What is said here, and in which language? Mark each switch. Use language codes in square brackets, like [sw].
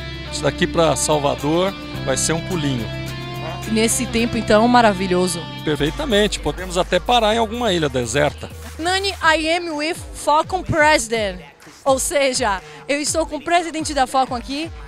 [pt] Isso daqui pra Salvador vai ser um pulinho. Nesse tempo, então, maravilhoso. Perfeitamente. Podemos até parar em alguma ilha deserta. [en] Nani, I am with Falcon President. [pt] Ou seja, eu estou com o presidente da Falcon aqui.